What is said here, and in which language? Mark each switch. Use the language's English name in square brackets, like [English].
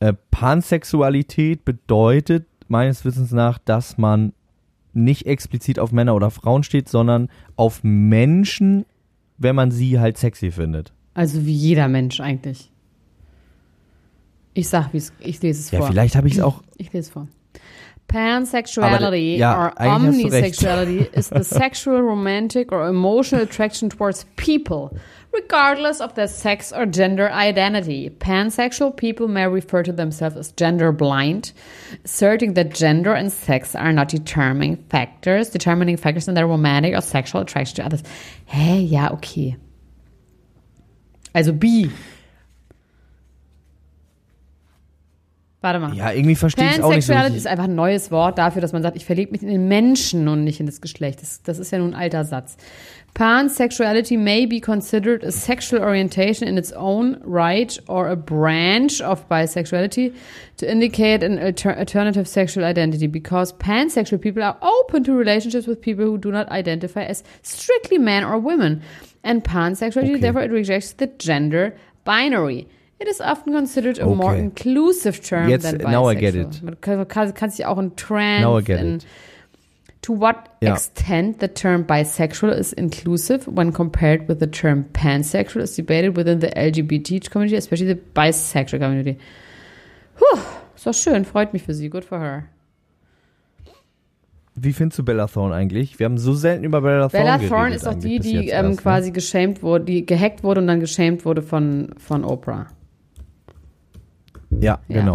[German] Pansexualität bedeutet meines Wissens nach, dass man nicht explizit auf Männer oder Frauen steht, sondern auf Menschen, wenn man sie halt sexy findet. Also wie jeder Mensch eigentlich. Ich sag, wie es, ich lese es ja, vor. Ja, vielleicht habe ich es auch. Ich lese es vor. [English] Pansexuality or omnisexuality is the sexual, romantic or emotional attraction towards people, regardless of their sex or gender identity. Pansexual people may refer to themselves as gender blind, asserting that gender and sex are not determining factors in their romantic or sexual attraction to others. [German] Hey, ja, okay. Also B. Warte mal. Ja, irgendwie verstehe ich es auch nicht. Pansexuality ist einfach ein neues Wort dafür, dass man sagt, ich verliebe mich in den Menschen und nicht in das Geschlecht. Das ist ja nun ein alter Satz. [English] Pansexuality may be considered a sexual orientation in its own right or a branch of bisexuality to indicate an alternative sexual identity because pansexual people are open to relationships with people who do not identify as strictly men or women. And pansexuality, okay, therefore it rejects the gender binary. It is often considered a more inclusive term [German] jetzt, [English] than bisexual. Now I get it. [German] Man kann sich auch in trans. [English] Now I get it. To what extent the term bisexual is inclusive when compared with the term pansexual is debated within the LGBT community, especially the bisexual community. [German] Puh, ist doch schön, freut mich für sie, [English] good for her. [German] Wie findest du Bella Thorne eigentlich? Wir haben so selten über Bella Thorne geredet. Bella Thorne ist auch die quasi geschämt wurde, die gehackt wurde und dann geschämt wurde von Oprah. Ja, genau.